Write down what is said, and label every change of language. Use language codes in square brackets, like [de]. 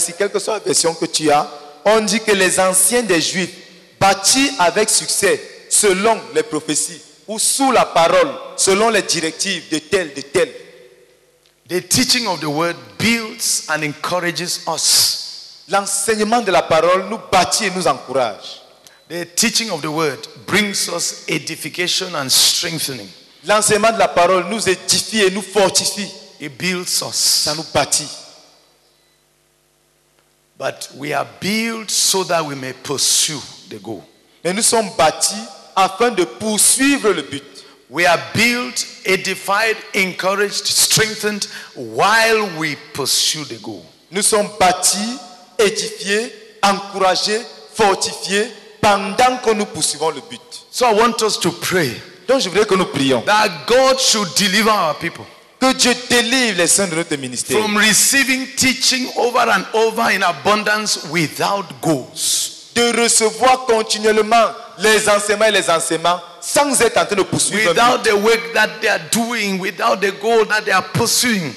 [fr] Si quelque soit la version que tu as, on dit que les anciens des Juifs bâtirent avec succès selon les prophéties. Ou sous la parole, selon les directives de tel, de tel. [en] The teaching of the word builds and encourages us. [fr] L'enseignement de la parole nous bâtit et nous encourage. [en] The teaching of the word brings us edification and strengthening. [fr] L'enseignement de la parole nous édifie et nous fortifie. [en] It builds us. [fr] Ça nous bâtit. [en] But we are built so that we may pursue the goal. [fr] Et nous sommes bâtis afin de poursuivre le but. [en] We are built, edified, encouraged, strengthened while we pursue the goal. [fr] Nous sommes bâtis, édifiés, encouragés, fortifiés pendant que nous poursuivons le but. [en] So I want us to pray. [fr] Donc je voudrais que nous prions. [en] That God should deliver our people. [fr] Que Dieu délivre les saints de notre ministère. [en] From receiving teaching over and over in abundance without goals. [fr] De recevoir continuellement les enseignements et les enseignements sans être en train de poursuivre. [en] Without the work that they are doing, without the goal that they are pursuing.